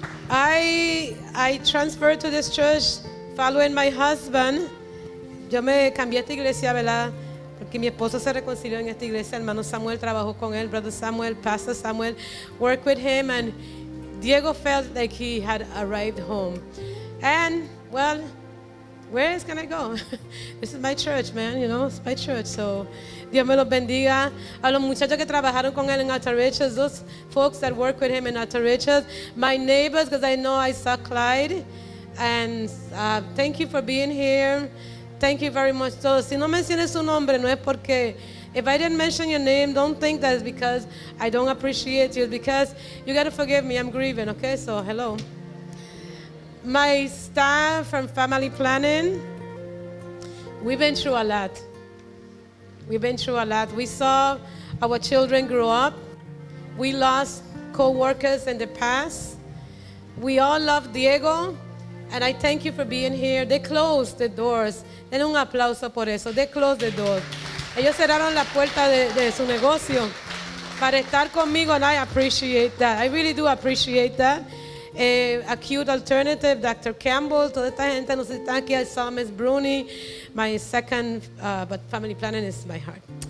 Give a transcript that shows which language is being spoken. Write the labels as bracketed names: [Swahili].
[English] I transferred to this church following my husband. [Spanish] Yo me cambié a esta iglesia, ¿verdad? Porque mi esposo se reconcilió en esta iglesia. Hermano Samuel trabajó con él. [English] Brother Samuel, Pastor Samuel, worked with him, and Diego felt like he had arrived home. And, well, where is can I go? This is my church, man, you know, it's my church. So, [Spanish] Dios me los bendiga. A los muchachos que trabajaron con él [English] en Alta Riches, those folks that work with him in Alta Riches, my neighbors, because I know I saw Clyde. And thank you for being here. Thank you very much. [Spanish] So, si no mencioné su nombre, no es porque... [English] If I didn't mention your name, don't think that it's because I don't appreciate you. It's because you got to forgive me. I'm grieving, okay? So, hello. My staff from Family Planning, we've been through a lot. We've been through a lot. We saw our children grow up. We lost co-workers in the past. We all love Diego. And I thank you for being here. They closed the doors. [Spanish] Den un aplauso por eso. [English] They closed the doors. [Spanish] Ellos cerraron la puerta de su negocio para estar conmigo, [English] and I appreciate that. I really do appreciate that. Acute Alternative, Dr. [Spanish] Campbell, toda esta gente, no sé si están aquí, [English] I saw Ms. Bruni, my second, but Family Planning is my heart.